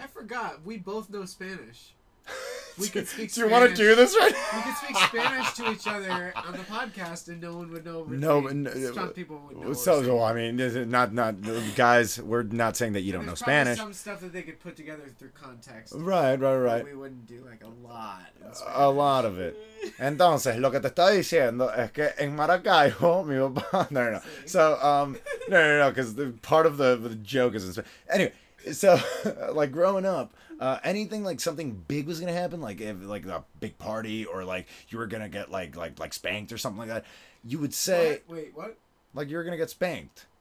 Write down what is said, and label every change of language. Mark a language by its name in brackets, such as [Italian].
[English] I forgot. We both know Spanish. We could speak Spanish. Do you want to do this right now? We could speak Spanish to each other on the podcast and no one would know. No, but some people would know. So, I mean, not guys, we're not saying that you don't know Spanish. Some stuff that they could put together through context. Right. We wouldn't do like a lot. A lot of it. [Spanish] Entonces, lo que te estoy diciendo es que en Maracaibo, mi papá. [English] No. So, because part of the joke is in Spanish. Anyway. So, like, growing up, anything, like, something big was going to happen, like, if like a big party or, like, you were going to get, like spanked or something like that, you would say... Wait, what? Like, you were going to get spanked.